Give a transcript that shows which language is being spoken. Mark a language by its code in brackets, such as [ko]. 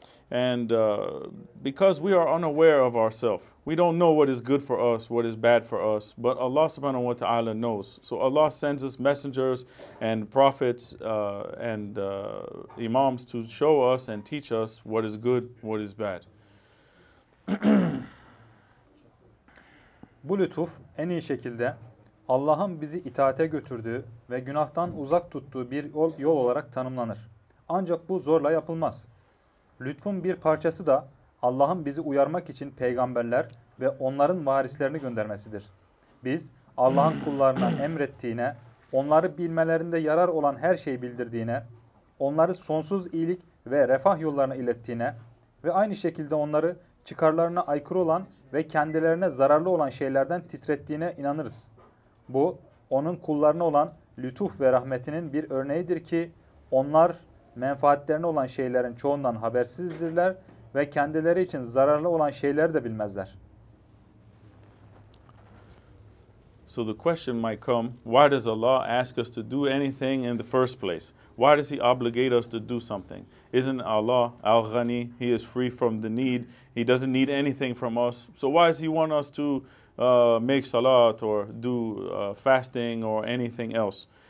[en] And because we are unaware of ourselves, we don't know what is good for us, what is bad for us, but Allah subhanahu wa ta'ala knows. So Allah sends us messengers and prophets and imams to show us and teach us what is good, what is bad. [tr] Bu lütuf en iyi şekilde Allah'ın bizi itaate götürdüğü ve günahtan uzak tuttuğu bir yol olarak tanımlanır. Ancak bu zorla yapılmaz. Lütfun bir parçası da Allah'ın bizi uyarmak için peygamberler ve onların varislerini göndermesidir. Biz Allah'ın kullarına emrettiğine, onları bilmelerinde yarar olan her şeyi bildirdiğine, onları sonsuz iyilik ve refah yollarına ilettiğine ve aynı şekilde onları çıkarlarına aykırı olan ve kendilerine zararlı olan şeylerden titrettiğine inanırız. Bu, onun kullarına olan lütuf ve rahmetinin bir örneğidir ki, onlar menfaatlerine olan şeylerin çoğundan habersizdirler ve kendileri için zararlı olan şeyleri de bilmezler. [en] So the question might come, why does Allah ask us to do anything in the first place? Why does He obligate us to do something? Isn't Allah al-Ghani? He is free from the need. He doesn't need anything from us. So why does He want us to make salat or do fasting or anything else?